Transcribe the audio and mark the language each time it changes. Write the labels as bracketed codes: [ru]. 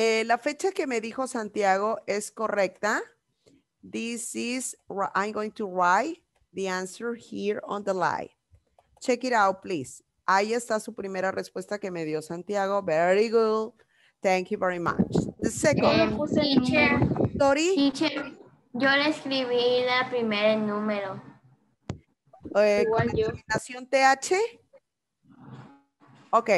[es] La fecha que me dijo Santiago es correcta. [en] This is, I'm going to write the answer here on the line. Check it out, please. [es] Ahí está su primera respuesta que me dio Santiago. [en] Very good. Thank you very much. The second. Teacher. Sorry. Teacher. [es] Yo le escribí la primera en número. ¿Con terminación TH? Ok.